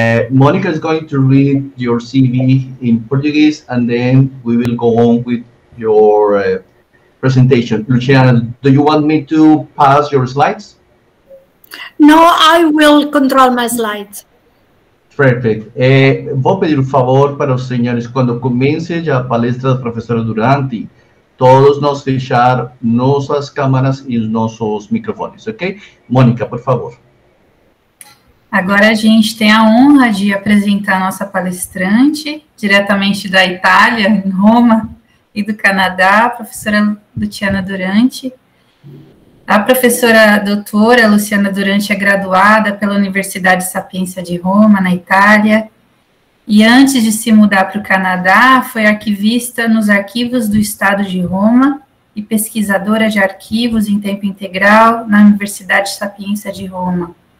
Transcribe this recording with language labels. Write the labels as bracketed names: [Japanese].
[English] Monica is going to read your CV in Portuguese, and then we will go on with your presentation. Luciana, do you want me to pass your slides? No, I will control my slides. Perfect. [Spanish] Voy a pedir un favor para los señores, cuando comience la palestra del profesor Duranti, todos nos fijar nuestras cámaras y nuestros micrófonos, ¿ok? Mónica, por favor. [Portuguese] Agora a gente tem a honra de apresentar a nossa palestrante, diretamente da Itália, em Roma, e do Canadá, a professora Luciana Duranti. A professora doutora Luciana Duranti é graduada pela Universidade Sapienza de Roma, na Itália, e antes de se mudar para o Canadá, foi arquivista nos arquivos do Estado de Roma e pesquisadora de arquivos em tempo integral na Universidade Sapienza de Roma.